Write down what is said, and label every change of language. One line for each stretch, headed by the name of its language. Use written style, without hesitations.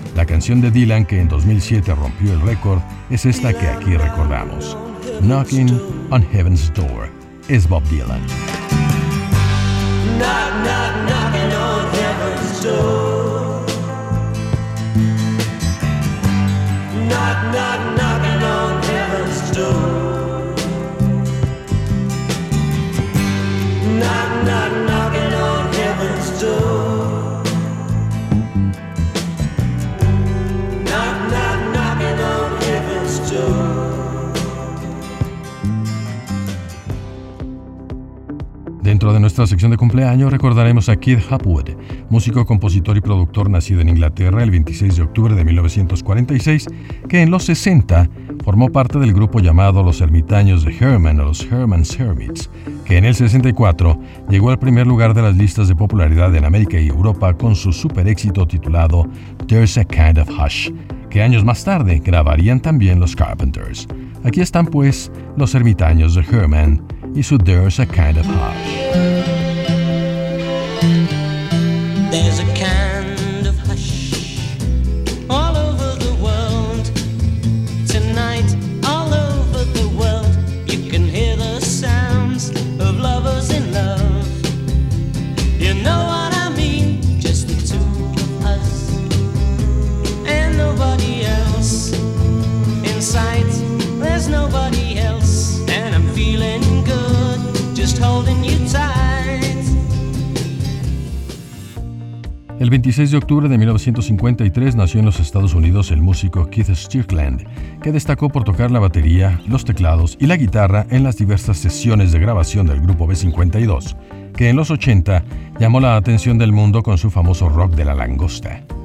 Spanish: canción de Dylan que en 2007 rompió el récord es esta que aquí recordamos. Knocking on Heaven's Door es Bob Dylan.
English: Knock, knock, knocking on heaven's door. Knock, knock, knocking on heaven's door. Knock, knock, knocking on heaven's door. Knock, knock, knocking on heaven's door.
Spanish: Dentro de nuestra sección de cumpleaños recordaremos a Keith Hapwood, músico, compositor y productor nacido en Inglaterra el 26 de octubre de 1946, que en los 60 formó parte del grupo llamado Los Ermitaños de Herman o los Herman's Hermits, que en el 64 llegó al primer lugar de las listas de popularidad en América y Europa con su super éxito titulado There's a Kind of Hush, que años más tarde grabarían también los Carpenters. Aquí están pues Los Ermitaños de Herman y su There's a Kind of Hush.
English: There's a kind of hush all over the world tonight, all over the world. You can hear the sounds of lovers in love. You know what I mean, just the two of us and nobody else in sight. There's nobody else and I'm feeling good, just holding you tight.
Spanish: El 26 de octubre de 1953 nació en los Estados Unidos el músico Keith Stirkland, que destacó por tocar la batería, los teclados y la guitarra en las diversas sesiones de grabación del grupo B-52, que en los 80 llamó la atención del mundo con su famoso rock de la langosta.